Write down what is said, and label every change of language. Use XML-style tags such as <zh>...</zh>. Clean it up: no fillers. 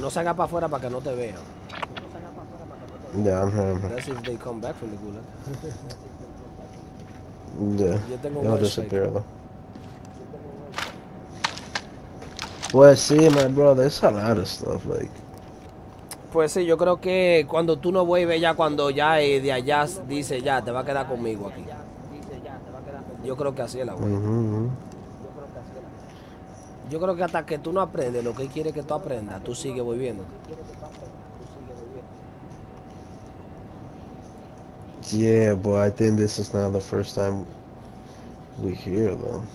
<es>no salga para afuera para que no te vean.</es> <en>Yeah, I'm here. That's if they come back from the gulag. Yeah. They'll disappear, though.</en> <es>Pues sí,</es> <en>my brother, it's a lot of stuff, like.</en> <es>Pues sí, yo creo que cuando tú no vuelves ya, cuando ya de allá dice ya, te va a quedar conmigo aquí. Yo creo que así es la wey. Yo creo que hasta que tú no aprendes lo que él quiere que tú aprendas, tú sigues volviendo.</es> <en>Yeah, but I think this is not the first time we hear them.</en>